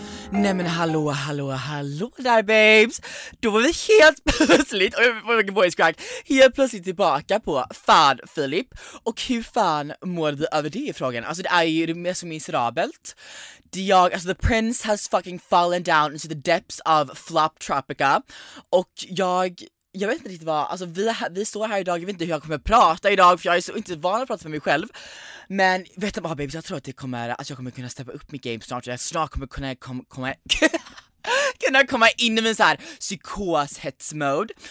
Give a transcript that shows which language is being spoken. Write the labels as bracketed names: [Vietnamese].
[Swedish] Nämen hallå, hallå, hallå där babes. Då var vi helt plötsligt, oj, vilken voice crack, helt plötsligt tillbaka på fan Filip. Och hur fan mår du över det i frågan? Alltså det är ju det mest miserabelt. [English] Alltså the prince has fucking fallen down into the depths of flop tropica. [Swedish] Och jag vet inte riktigt vad, alltså vi står här idag, jag vet inte hur jag kommer prata idag, för jag är så inte van att prata för mig själv. Men vet du vad, baby, jag tror att det kommer, att jag kommer kunna steppa upp mitt game snart. Jag snart kommer kunna komma in i min såhär psykoshets-mode.